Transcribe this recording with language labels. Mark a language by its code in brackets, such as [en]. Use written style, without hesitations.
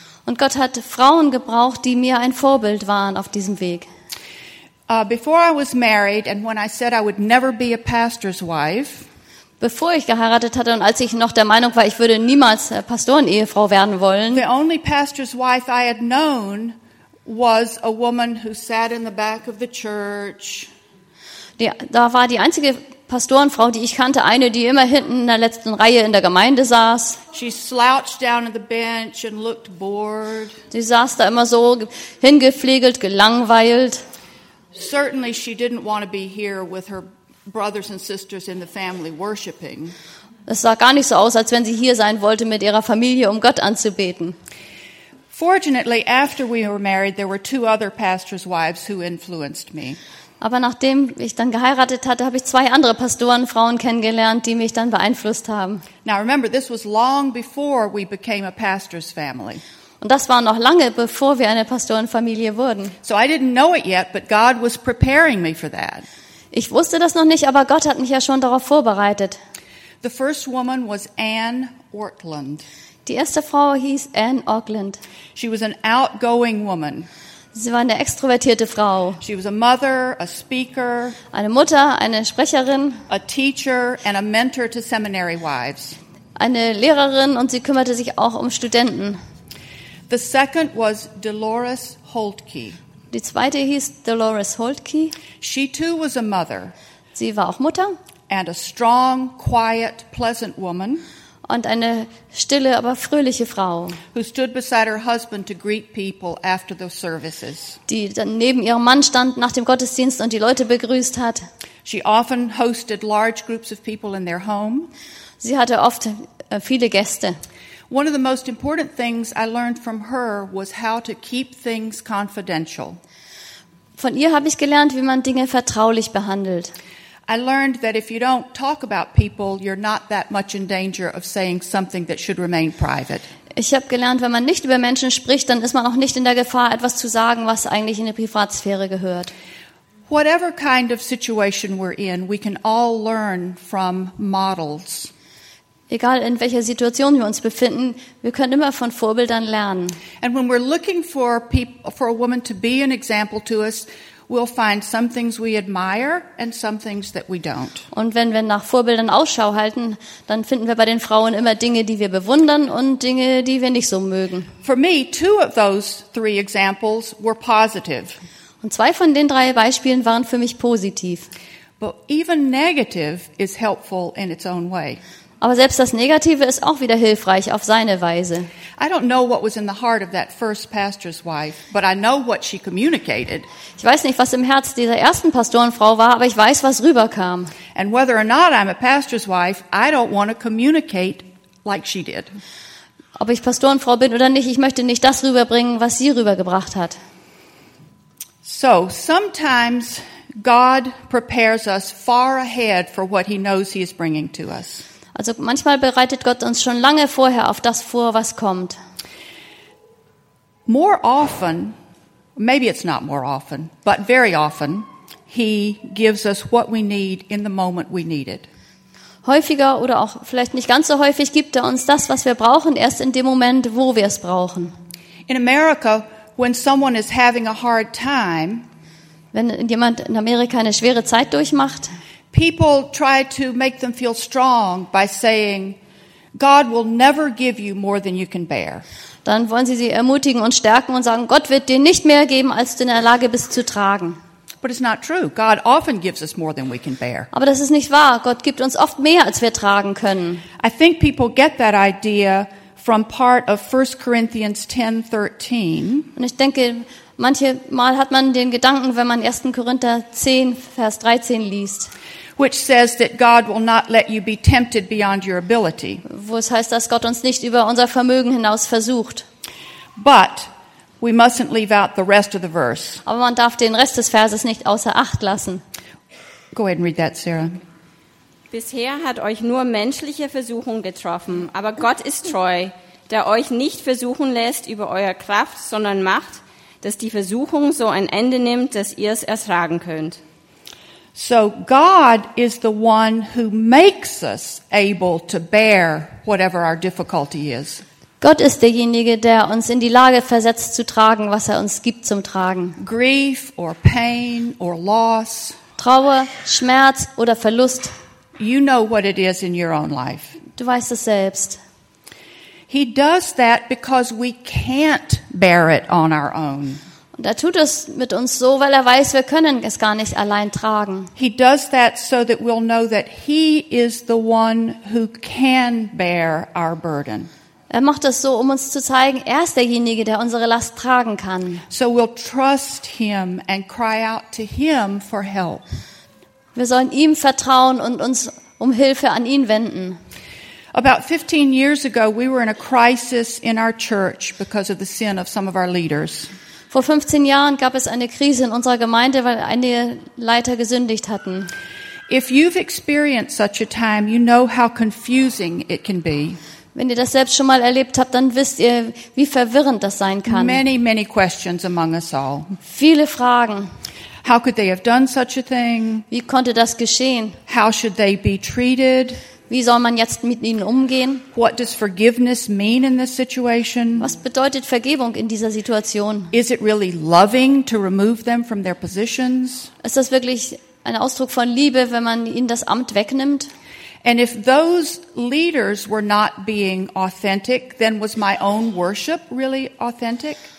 [de] Und Gott hat Frauen gebraucht, die mir ein Vorbild waren auf diesem Weg. [en] Before I was married and when I said I would never be a pastor's wife, [de] bevor ich geheiratet hatte und als ich noch der Meinung war, ich würde niemals Pastorenehefrau werden wollen, [en] the only pastor's wife I had known was a woman who sat in the back of the church. [de] Da war die einzige Pastorenfrau, die ich kannte, eine, die immer hinten in der letzten Reihe in der Gemeinde saß. [en] She slouched down at the bench and looked bored. [de] Sie saß da immer so hingepflegelt, gelangweilt. [en] Certainly she didn't want to be here with her brothers and sisters in the family worshiping. [de] Es sah gar nicht so aus, als wenn sie hier sein wollte mit ihrer Familie, Gott anzubeten. [en] Fortunately, after we were married, there were two other pastors' wives who influenced me. [de] Aber nachdem ich dann geheiratet hatte, habe ich zwei andere Pastorenfrauen kennengelernt, die mich dann beeinflusst haben. [en] Now remember, this was long before we became a pastor's family. [de] Und das war noch lange, bevor wir eine Pastorenfamilie wurden. [en] So I didn't know it yet, but God was preparing me for that. [de] Ich wusste das noch nicht, aber Gott hat mich ja schon darauf vorbereitet. [en] The first woman was Ann Ortland. [de] Die erste Frau hieß Ann Ortland. [en] She was an outgoing woman. [de] Sie war eine extrovertierte Frau. [en] She was a mother, a speaker, [de] eine Mutter, eine Sprecherin, [en] a teacher and a mentor to seminary wives. [de] Eine Lehrerin und sie kümmerte sich auch Studenten. [en] The second was Dolores Holtke. [de] Die zweite hieß Dolores Holtke. [en] She too was a mother. [de] Sie war auch Mutter. [en] And a strong, quiet, pleasant woman. [de] Und eine stille, aber fröhliche Frau, [en] who stood beside her husband to greet people after the services. [de] Die dann neben ihrem Mann stand nach dem Gottesdienst und die Leute begrüßt hat. [en] She often hosted large groups of people in their home. [de] Sie hatte oft viele Gäste. [en] One of the most important things I learned from her was how to keep things confidential. [de] Von ihr habe ich gelernt, wie man Dinge vertraulich behandelt. [en] I learned that if you don't talk about people, you're not that much in danger of saying something that should remain private. [de] Ich habe gelernt, wenn man nicht über Menschen spricht, dann ist man auch nicht in der Gefahr, etwas zu sagen, was eigentlich in die Privatsphäre gehört. [en] Whatever kind of situation we're in, we can all learn from models. [de] Egal in welcher Situation wir uns befinden, wir können immer von Vorbildern lernen. [en] And when we're looking for a woman to be an example to us, we'll find some things we admire and some things that we don't. [de] Und wenn wir nach Vorbildern Ausschau halten, dann finden wir bei den Frauen immer Dinge, die wir bewundern und Dinge, die wir nicht so mögen. [en] For me, two of those three examples were positive. [de] Und zwei von den drei Beispielen waren für mich positiv. [en] But even negative is helpful in its own way. [de] Aber selbst das Negative ist auch wieder hilfreich auf seine Weise. [en] I don't know what was in the heart of that first pastor's wife, but I know what she communicated. [de] Ich weiß nicht, was im Herz dieser ersten Pastorenfrau war, aber ich weiß, was rüberkam. [en] And whether or not I'm a pastor's wife, I don't want to communicate like she did. [de] ob ich Pastorenfrau bin oder nicht, ich möchte nicht das rüberbringen, was sie rübergebracht hat. [en] So, sometimes God prepares us far ahead for what he knows he is bringing to us. [de] Also manchmal bereitet Gott uns schon lange vorher auf das vor, was kommt. [en] More often, maybe it's not more often, but very often, he gives us what we need in the moment we need it. [de] Häufiger oder auch vielleicht nicht ganz so häufig gibt er uns das, was wir brauchen, erst in dem Moment, wo wir es brauchen. [en] In America, when someone is having a hard time, [de] wenn jemand in Amerika eine schwere Zeit durchmacht, [en] people try to make them feel strong by saying, God will never give you more than you can bear. [de] Dann wollen sie ermutigen und stärken und sagen, Gott wird dir nicht mehr geben, als du in der Lage bist zu tragen. [en] But it's not true. God often gives us more than we can bear. [de] Aber das ist nicht wahr. Gott gibt uns oft mehr, als wir tragen können. [en] I think people get that idea from part of 1 Corinthians 10:13. [de] Und ich denke, manchmal hat man den Gedanken, wenn man 1. Korinther 10, Vers 13 liest, [en] which says that God will not let you be tempted beyond your ability. [de] Wo es heißt, dass Gott uns nicht über unser Vermögen hinaus versucht. [en] But we mustn't leave out the rest of the verse. [de] Aber man darf den Rest des Verses nicht außer Acht lassen. [en] Go ahead and read that, Sarah. [de] Bisher hat euch nur menschliche Versuchung getroffen, aber Gott ist treu, der euch nicht versuchen lässt über eure Kraft, sondern macht, dass die Versuchung so ein Ende nimmt, dass ihr es ertragen könnt. [en] So God is the one who makes us able to bear whatever our difficulty is. [de] Gott ist derjenige, der uns in die Lage versetzt zu tragen, was er uns gibt zum Tragen. [en] Grief or pain or loss. [de] Trauer, Schmerz oder Verlust. [en] You know what it is in your own life. [de] Du weißt es selbst. [en] He does that because we can't bear it on our own. [de] Und er tut es mit uns so, weil er weiß, wir können es gar nicht allein tragen. [en] He does that so that we'll know that he is the one who can bear our burden. [de] Er macht das so, um uns zu zeigen, er ist derjenige, der unsere Last tragen kann. [en] So we'll trust him and cry out to him for help. [de] Wir sollen ihm vertrauen und uns um Hilfe an ihn wenden. [en] About 15 years ago, we were in a crisis in our church because of the sin of some of our leaders. [de] Vor 15 Jahren gab es eine Krise in unserer Gemeinde, weil einige Leiter gesündigt hatten. [en] If you've experienced such a time, you know how confusing it can be. [de] Wenn ihr das selbst schon mal erlebt habt, dann wisst ihr, wie verwirrend das sein kann. [en] Many, many questions among us all. [de] Viele Fragen. [en] How could they have done such a thing? [de] Wie konnte das geschehen? [en] How should they be treated? [de] Wie soll man jetzt mit ihnen umgehen? [en] What does forgiveness mean in this situation? [de] Was bedeutet Vergebung in dieser Situation? [en] Is it really loving to remove them from their positions? [de] Ist das wirklich ein Ausdruck von Liebe, wenn man ihnen das Amt wegnimmt? [en] And if those leaders were not being authentic, then was my own worship really authentic?